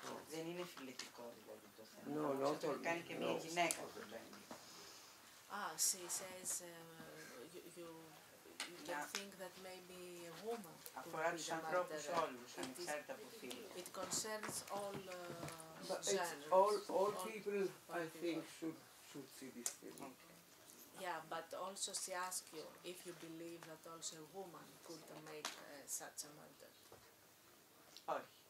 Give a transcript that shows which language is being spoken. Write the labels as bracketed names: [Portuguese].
[Greek] Δεν είναι φιλετικό δηλαδή το θέμα. [English] No, not at all. [Greek] Το κάνει και μια γυναίκα. [English] Ah, she says you think that maybe a woman [Greek] αφορά τους ανθρώπους όλους, ανεξάρτητα από φίλου. [English] It concerns all... But all people, I think, should see this film. Okay. Yeah, but also she asks you if you believe that also a woman could make such a murder. Oh.